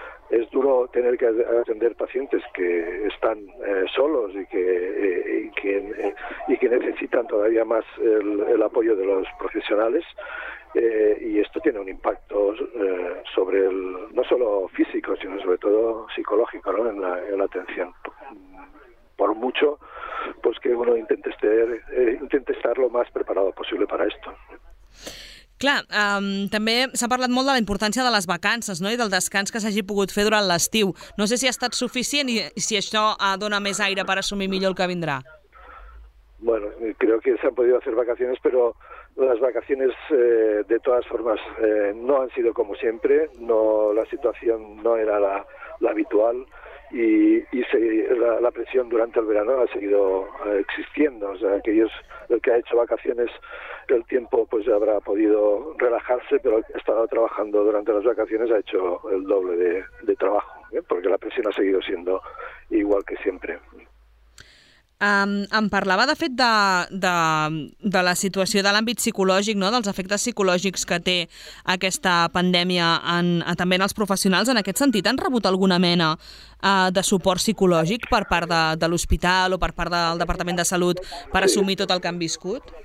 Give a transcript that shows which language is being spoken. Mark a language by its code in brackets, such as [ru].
[es] Es duro tener que atender pacientes que están solos y que necesitan todavía más el apoyo de los profesionales, y esto tiene un impacto sobre el, no solo físico, sino sobre todo psicológico, ¿no?, en la atención. Por mucho pues que uno intente estar lo más preparado posible para esto. [ca] Clar, també s'ha parlat molt de la importància de les vacances, no?, i del descans que s'hagi pogut fer durant l'estiu. No sé si ha estat suficient i si això dona més aire per assumir millor el que vindrà. [es] Bueno, creo que se han podido hacer vacaciones, pero las vacaciones, de todas formas, no han sido como siempre. No, la situación no era la habitual y la presión durante el verano ha seguido existiendo. O sea, aquellos el que ha hecho vacaciones, el tiempo pues ya habrá podido relajarse, pero el que ha estado trabajando durante las vacaciones ha hecho el doble de trabajo, ¿eh?, porque la presión ha seguido siendo igual que siempre. [ca] Em parlava, de fet, de la situació de l'àmbit psicològic, no?, dels efectes psicològics que té aquesta pandèmia també en els professionals. En aquest sentit, han rebut alguna mena de suport psicològic per part de l'hospital o per part del Departament de Salut per assumir tot el que han viscut?